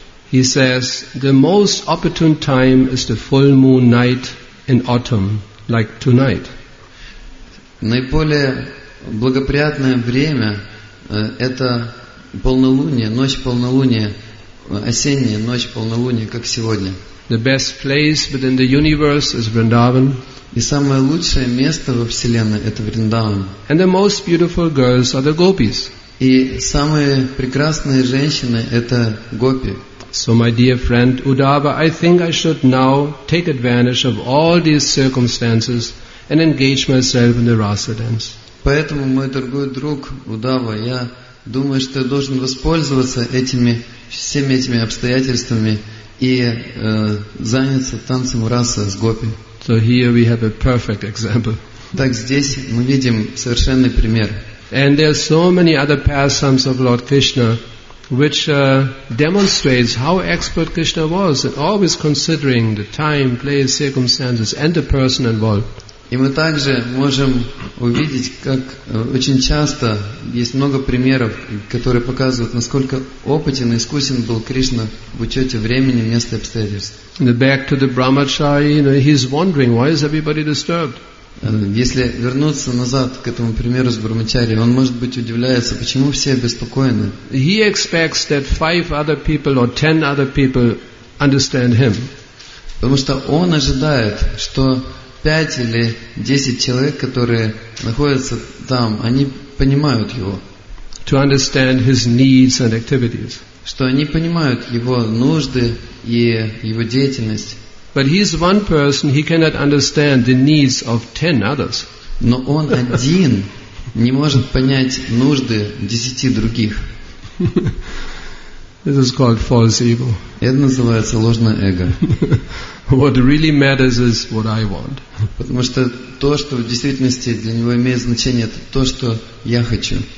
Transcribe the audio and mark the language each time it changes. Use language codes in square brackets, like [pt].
[en] He says, the most opportune time is the full moon night in autumn, like tonight. [ru] Наиболее благоприятное время это полнолуние, ночь полнолуния, осенняя ночь полнолуния, как сегодня. [en] The best place within the universe is Vrindavan. [ru] И самое лучшее место во Вселенной это Вриндаван. [en] And the most beautiful girls are the gopis. [ru] И самые прекрасные женщины это гопи. [en] So my dear friend Uddhava, I think I should now take advantage of all these circumstances and engage myself in the rasa dance. [ru] Поэтому, мой дорогой друг Удава, я думаю, что я должен воспользоваться всеми этими обстоятельствами и заняться танцем раса с гопи. [en] So here we have a perfect example. [ru] Так здесь мы видим совершенный пример. [en] And there are so many other pastimes of Lord Krishna, which demonstrates how expert Krishna was in always considering the time, place, circumstances and the person involved. [ru] И мы также можем увидеть, как очень часто есть много примеров, которые показывают, насколько опытен и искусен был Кришна в учете времени, места и обстоятельств. [en] Back to the Brahmachari, he is wondering, why is everybody disturbed? [ru] Если вернуться назад к этому примеру с брахмачари, он может быть удивляется, почему все обеспокоены. [en] He expects that five other people or ten other people understand him. [ru] Потому что он ожидает, что 5 или 10 человек, которые находятся там, они понимают его. [en] To understand his needs and activities. [ru] Что они понимают его нужды и его деятельность. [en] But he is one person, he cannot understand the needs of 10 others. [ru] Но он один не может понять нужды 10 других. [en] This is called false ego. [ru] Это называется ложное эго. [en] What really matters is what I want. [ru] Потому что то, что в действительности для него имеет значение, это то, что я хочу.